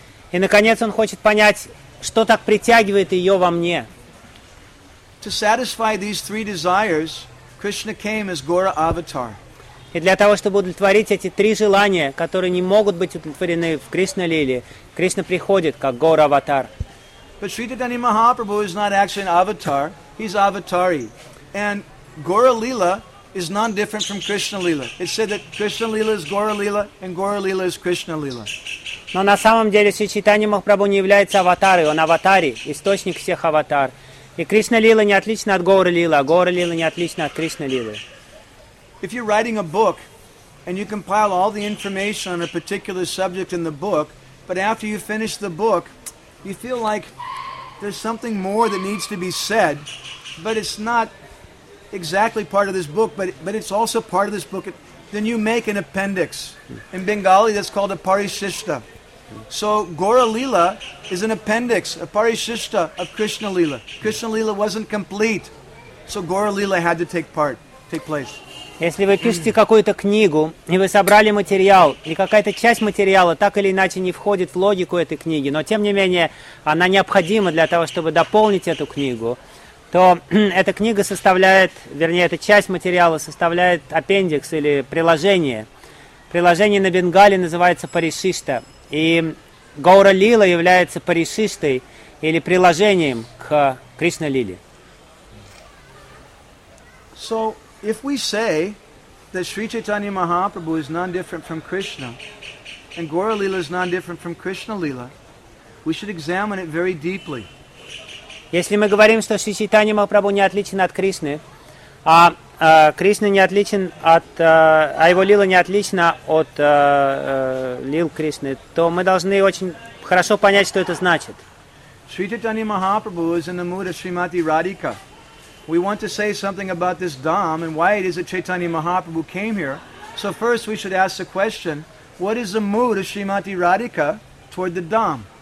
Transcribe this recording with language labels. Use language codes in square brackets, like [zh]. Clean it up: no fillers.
[ru] И наконец он хочет понять, что так притягивает ее во мне. [en] To satisfy these three desires, Krishna came as Gaura Avatar. [ru] И для того, чтобы удовлетворить эти три желания, которые не могут быть удовлетворены в Кришна Лиле, Кришна приходит как Гаура Аватар. [en] But Sri Chaitanya Mahaprabhu is not actually an avatar, he's Avatari. And Gaura Lila is not different from Krishna Lila. It said that Krishna Lila is Gaura Lila and Gaura Lila is Krishna Lila. [ru] Но на самом деле Sri Chaitanya Mahaprabhu не является аватарой, он аватари, источник всех аватар. И Кришна Лила не отлична от Гаура Лила, а Гаура Лила не отлична от Кришна Лилы. [en] If you're writing a book and you compile all the information on a particular subject in the book, But after you finish the book, you feel like there's something more that needs to be said, but it's not exactly part of this book, but it's also part of this book. Then you make an appendix. In Bengali, that's called a Parishishta. So Gaura Lila is an appendix, a Parishishta of Krishna Lila. Krishna Lila wasn't complete, so Gaura Lila had to take place. [ru] Если вы пишете какую-то книгу, и вы собрали материал, и какая-то часть материала так или иначе не входит в логику этой книги, но тем не менее она необходима для того, чтобы дополнить эту книгу, то эта книга составляет, вернее, эта часть материала составляет аппендикс или приложение. Приложение на бенгали называется Паришишта, и Гаура Лила является Паришиштой или приложением к Кришна Лиле. [en] So... If we say that Sri Chaitanya Mahaprabhu is non-different from Krishna and Gaura Lila is non-different from Krishna Lila, we should examine it very deeply. [ru] Если мы говорим, что Шри Чайтанья Махапрабху не отличен от Кришны, а Кришна не отличен от а его лила не отлична от лил Кришны, то мы должны очень хорошо понять, что это значит. [en] Sri Chaitanya Mahaprabhu is in the mood of Srimati Radhika. We want to say something about this Dham and why it is that Chaitanya Mahaprabhu came here. So first we should ask the question, what is the mood of Srimati Radhika toward the Dham?